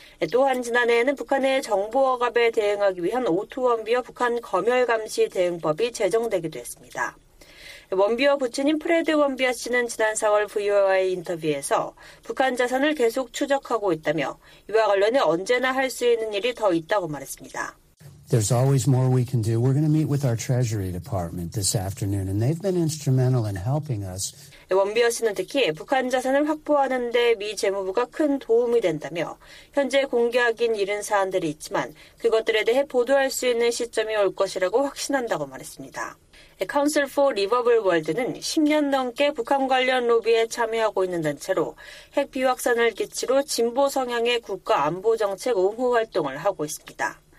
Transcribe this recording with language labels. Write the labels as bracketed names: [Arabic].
[Korean] 또한 지난해에는 북한의 정보 억압에 대응하기 위한 오토 원비어 북한 검열 감시 대응법이 제정되기도 했습니다. 원비어 부친인 프레드 원비어 씨는 지난 4월 VOA 인터뷰에서 북한 자산을 계속 추적하고 있다며 이와 관련해 언제나 할 수 있는 일이 더 있다고 말했습니다. [English] There's always more we can do. We're going to meet with our Treasury Department this afternoon, and they've been instrumental in helping us. [Korean] 원비어 씨는 특히 북한 자산을 확보하는 데 미 재무부가 큰 도움이 된다며 현재 공개하긴 이른 사안들이 있지만 그것들에 대해 보도할 수 있는 시점이 올 것이라고 확신한다고 말했습니다. Council for Livable World는 10년 넘게 북한 관련 로비에 참여하고 있는 단체로 핵 비확산을 기치로 진보 성향의 국가 안보 정책 옹호 활동을 하고 있습니다.